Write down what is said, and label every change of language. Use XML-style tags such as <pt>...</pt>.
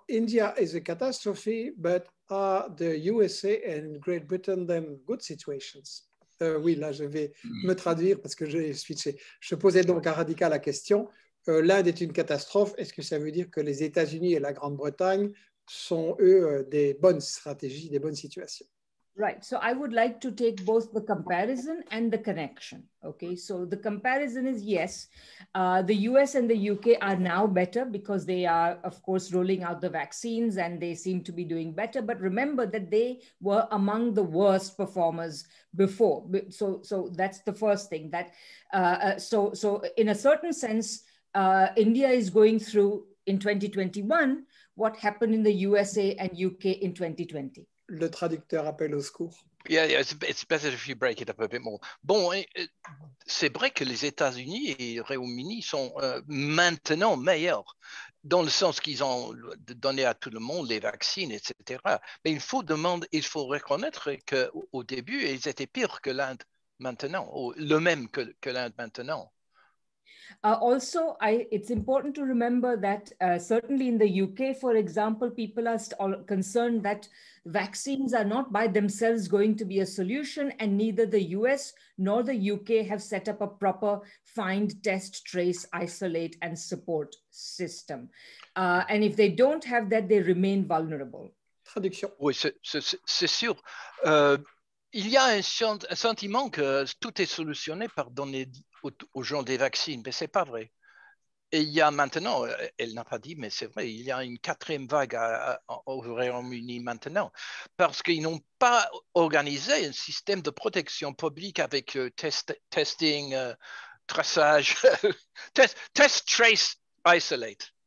<en>India is a catastrophe, but are the USA and Great Britain then good situations?</en> <fr>Oui, là, je vais me traduire parce que j'ai switché. Je posais donc à Radhika la question. L'Inde est une catastrophe. Est-ce que ça veut dire que les États-Unis et la Grande-Bretagne sont, eux, des bonnes stratégies, des bonnes situations?</fr> <en>Right. So I would like to take both the comparison and the connection. Okay. So the comparison is yes, the US and the UK are now better because they are, of course, rolling out the vaccines and they seem to be doing better. But remember that they were among the worst performers before. So that's the first thing that so in a certain sense, India is going through in 2021 what happened in the USA and UK in 2020.</en> <fr>Le traducteur appelle au secours.</fr> <en>Yeah, it's better if you break it up a bit more.</en> <fr>Bon, c'est vrai que les États-Unis et le Royaume-Uni sont maintenant meilleurs, dans le sens qu'ils ont donné à tout le monde les vaccins, etc. Mais il faut reconnaître qu'au début, ils étaient pires que l'Inde maintenant, ou le même que l'Inde maintenant.</fr> <en>It's important to remember that certainly in the UK, for example, people are concerned that vaccines are not by themselves going to be a solution, and neither the US nor the UK have set up a proper find, test, trace, isolate, and support system. And if they don't have that, they remain vulnerable.</en> <fr>Traduction. Oui, c'est sûr. Il y a un sentiment que tout est solutionné par donner aux gens des vaccins, mais ce n'est pas vrai. Et il y a maintenant, elle n'a pas dit, mais c'est vrai, il y a une quatrième vague au Royaume-Uni maintenant, parce qu'ils n'ont pas organisé un système de protection publique avec testing, traçage,</fr> <en>test, trace, isolate.</en>